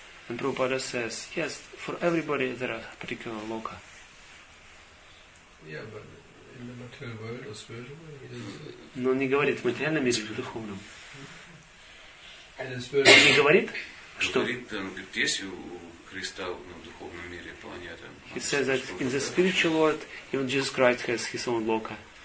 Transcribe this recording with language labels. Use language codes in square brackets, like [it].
[en] And Prabhupada says, yes, for everybody there are particular Loka. Yeah, but in the material world or spiritual world, he doesn't... [ru] Но он не говорит в материальном мире или в духовном. [en] And in spiritual world... [ru] Не говорит, что... Говорит, есть у Христа в духовном мире планета? [en] He says that in the spiritual world, even Jesus Christ has his own Loka.